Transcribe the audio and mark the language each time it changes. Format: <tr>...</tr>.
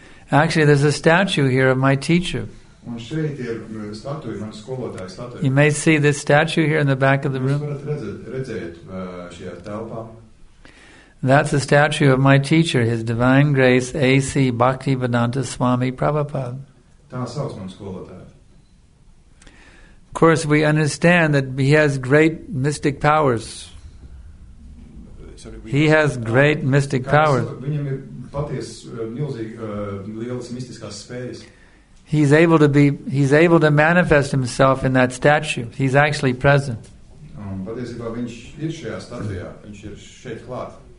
<en>Actually, there's a statue here of my teacher.</en> <lv>Un šeit ir statuja, man skolotāja statuja.</lv> <en>You may see this statue here in the back of the room.</en> <lv>Jūs varat redzēt šajā telpā.</lv> <en>That's a statue of my teacher, His Divine Grace, A.C. Bhaktivedanta Swami Prabhupada.</en> <lv>Tā sauc man skolotāja.</lv> <en>Of course, we understand that he has great mystic powers. He has great mystic powers.</en> <lv>Paties milzīgi lielas mistiskās spējas.</lv> <en>He's able to manifest himself in that statue. He's actually present.</en> <lv>Patiesībā viņš ir šajā statujā, viņš ir šeit klāt.</lv>